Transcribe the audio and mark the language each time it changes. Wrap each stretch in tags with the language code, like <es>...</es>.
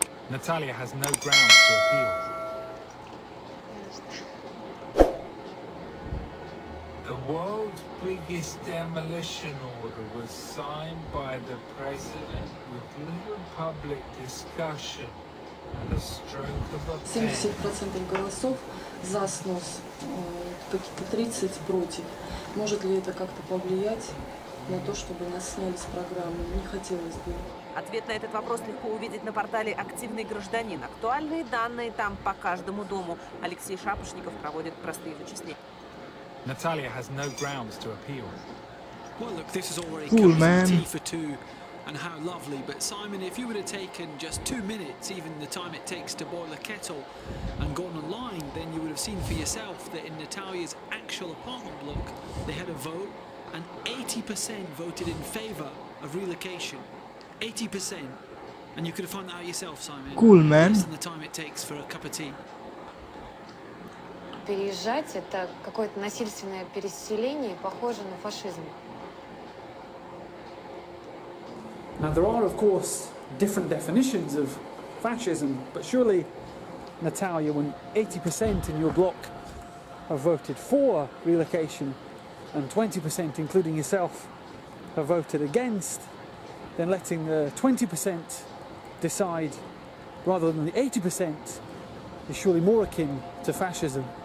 <en>Natalia has no grounds to appeal. The world's biggest demolition order was signed by the president with little public discussion and a stroke of a pen.</en> <ru>70% голосов за снос, только 30 против. Может ли это как-то повлиять на то, чтобы нас сняли с программы? Не хотелось бы. Ответ на этот вопрос легко увидеть на портале «Активный гражданин». Актуальные данные там по каждому дому. Алексей Шапошников проводит простые вычисления.</ru> <en>Natalia has no grounds to appeal. Well, look, this is already cool, man. Tea for two, and how lovely. But Simon, if you would have taken just 2 minutes, even the time it takes to boil a kettle, and gone online, then you would have seen for yourself that in Natalia's actual apartment block, they had a vote, and 80% voted in favor of relocation. 80%, and you could have found that out yourself, Simon. Cool, man. Less than the time it takes for a cup of tea.</en> <ru>Переезжать — это какое-то насильственное переселение, похоже на фашизм.</ru> <en>Now there are, of course, different definitions of fascism, but surely, Natalia, when 80% in your block have voted for relocation, and 20%, including yourself, have voted against, then letting the 20% decide rather than the 80% is surely more akin to fascism.</en>